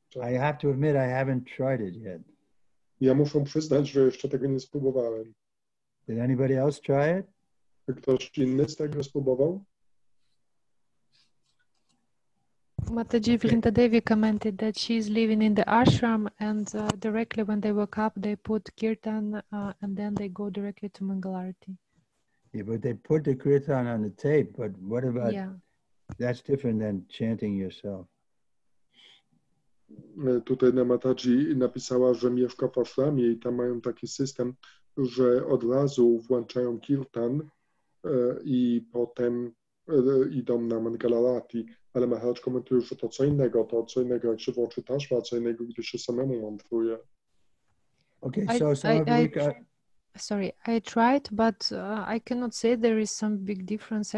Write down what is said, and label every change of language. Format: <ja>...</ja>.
<en>I have to admit, I haven't tried it yet.</en> <pl>Ja muszę przyznać, że jeszcze tego nie spróbowałem.</pl> <en>Did anybody else try it?</en> <pl>Ktoś inny z tego spróbował?</pl> <en>Mataji Vrinda Devi commented that she is living in the ashram and directly when they woke up, they put kirtan and then they go directly to Mangalarti. Yeah, but they put the kirtan on the tape, but what about, that's different than chanting yourself.</en> <pl>Tutaj na Mataji napisała, że mieszka w ashramie i tam mają taki system, że od razu włączają kirtan i potem idą na Mangalarati. Ale Maharaj komentuje, że to co innego, jak się włączy taśma, a co innego, gdy się samemu mądruje.</pl> <en>Okay, so sorry, I tried, but I cannot say there is some big difference.</en>